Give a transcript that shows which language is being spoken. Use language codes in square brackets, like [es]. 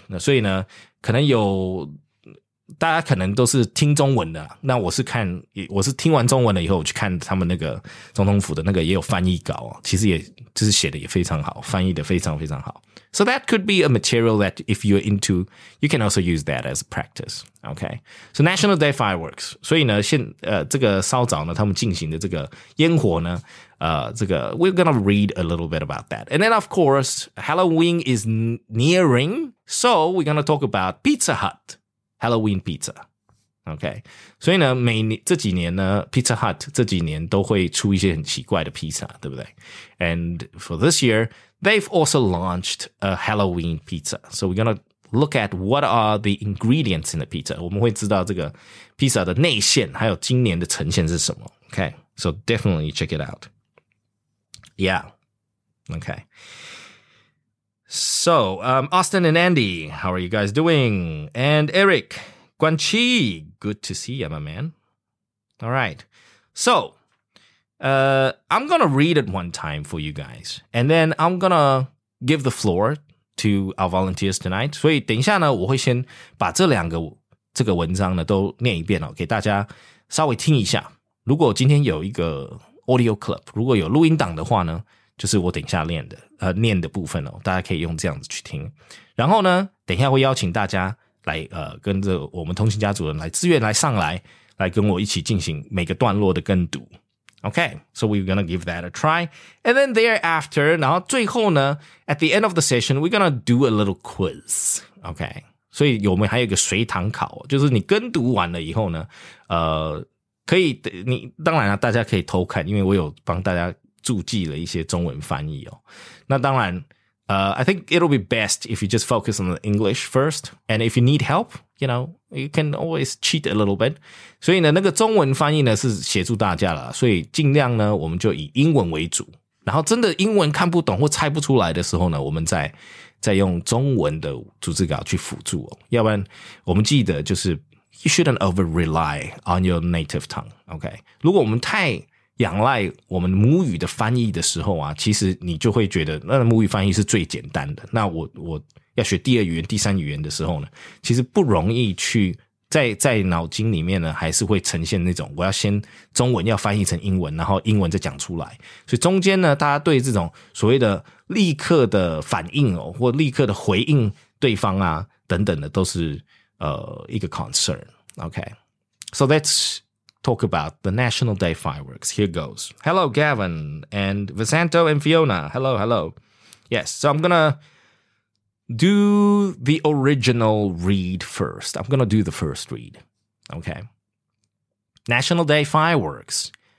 [zh] 那所以呢，可能有大家可能都是听中文的，那我是看我是听完中文了以后，我去看他们那个总统府的那个也有翻译稿，其实也就是写的也非常好，翻译的非常非常好。 [en] So that could be a material that if you're into, you can also use that as a practice. Okay. So National Day Fireworks. [zh] 所以呢现这个稍早呢他们进行的这个烟火呢这个 [en] we're gonna read a little bit about that. And then of course, Halloween is nearing. So we're gonna talk about Pizza Hut. Halloween Pizza. Okay. [zh] 所以呢每这几年呢 Pizza Hut 这几年都会出一些很奇怪的 pizza, 对不对 [en] And for this year,They've also launched a Halloween pizza. So we're going to look at what are the ingredients in the pizza. [zh] 我们会知道这个 pizza 的内馅还有今年的呈现是什么。 [en] Okay, so definitely check it out. Yeah, okay. So, Austin and Andy, how are you guys doing? And Eric, Guan Qi, good to see you, my man. All right, so... I'm going to read it one time for you guys. And then I'm going to give the floor to our volunteers tonight. [zh] 所以等一下呢我会先把这两个这个文章呢都念一遍哦给大家稍微听一下。如果今天有一个 audio clip, 如果有录音档的话呢就是我等一下念的念的部分哦大家可以用这样子去听。然后呢等一下会邀请大家来跟着我们通信家族人来自愿来上来来跟我一起进行每个段落的跟读。 [en] Okay, so we're going to give that a try. And then thereafter, [zh] 然后最后呢 [en] at the end of the session, we're going to do a little quiz. [zh] Okay, 所以我们还有一个随堂考就是你跟读完了以后呢可以你当然了大家可以偷看因为我有帮大家注记了一些中文翻译哦。那当然 [en] I think it'll be best if you just focus on the English first. And if you need help, you know, you can always cheat a little bit. [zh] 所以呢那个中文翻译呢是协助大家啦。所以尽量呢我们就以英文为主。然后真的英文看不懂或猜不出来的时候呢我们再用中文的逐字稿去辅助、哦。要不然我们记得就是 [en] you shouldn't over rely on your native tongue. Okay. [zh] 如果我们太仰赖我们母语的翻译的时候啊，其实你就会觉得那母语翻译是最简单的。那我要学第二语言、第三语言的时候呢，其实不容易去在脑筋里面呢，还是会呈现那种我要先中文要翻译成英文，然后英文再讲出来。所以中间呢，大家对这种所谓的立刻的反应哦，或立刻的回应对方啊等等的，都是一个 concern。 [en] Okay, so that's talk about the National Day fireworks. Here goes. Hello, Gavin and Vicento and Fiona. Hello, hello. Yes, so I'm going to do the original read first. I'm going to do the first read. Okay. National Day fireworks.